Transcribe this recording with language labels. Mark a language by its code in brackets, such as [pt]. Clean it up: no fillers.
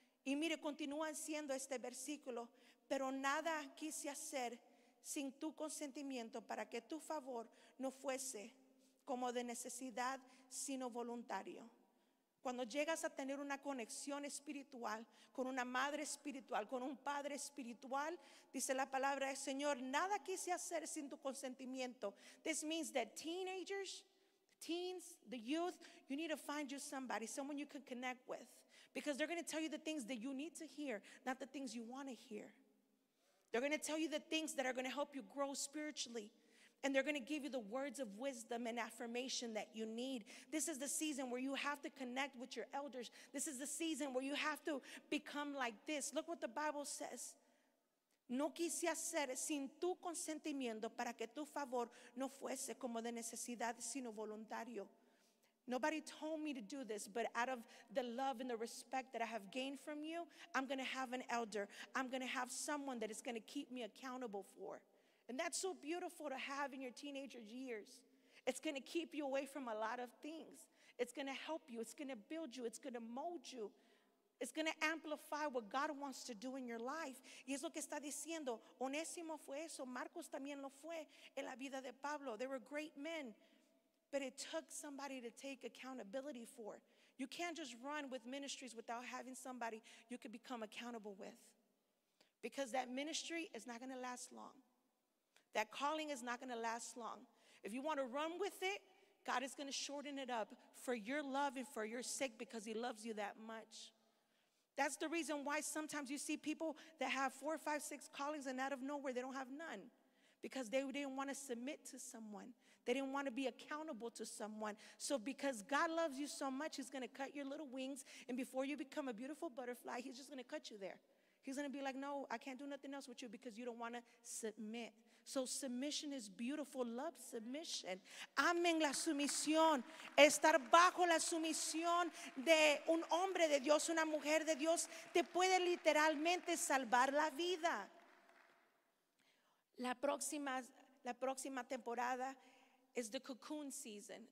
[es] Y mire, continúa siendo este versículo: pero nada quise hacer sin tu consentimiento, para que tu favor no fuese como de necesidad, sino voluntario. Cuando llegas a tener una conexión espiritual con una madre espiritual, con un padre espiritual, dice la palabra del Señor: nada quise hacer sin tu consentimiento. [en] This means that teenagers, teens, the youth, you need to find you somebody, someone you can connect with, because they're going to tell you the things that you need to hear, not the things you want to hear. They're going to tell you the things that are going to help you grow spiritually. And they're going to give you the words of wisdom and affirmation that you need. This is the season where you have to connect with your elders. This is the season where you have to become like this. Look what the Bible says. [es] No quise hacer sin tu consentimiento, para que tu favor no fuese como de necesidad, sino voluntario. [en] Nobody told me to do this, but out of the love and the respect that I have gained from you, I'm going to have an elder. I'm going to have someone that is going to keep me accountable for. And that's so beautiful to have in your teenager years. It's going to keep you away from a lot of things. It's going to help you. It's going to build you. It's going to mold you. It's going to amplify what God wants to do in your life. [es] Y es lo que está diciendo. Onésimo fue eso. Marcos también lo fue en la vida de Pablo. [en] They were great men, but it took somebody to take accountability for. You can't just run with ministries without having somebody you could become accountable with. Because that ministry is not going to last long. That calling is not going to last long. If you want to run with it, God is going to shorten it up for your love and for your sake, because he loves you that much. That's the reason why sometimes you see people that have 4, 5, 6 callings and out of nowhere they don't have none. Because they didn't want to submit to someone. They didn't want to be accountable to someone. So because God loves you so much, he's going to cut your little wings. And before you become a beautiful butterfly, he's just going to cut you there. He's going to be like, no, I can't do nothing else with you because you don't want to submit. So submission is beautiful. Love submission. Amen [es] la sumisión. Estar bajo la sumisión de un hombre de Dios, una mujer de Dios, te puede literalmente salvar la vida. La próxima temporada es [en] the cocoon season.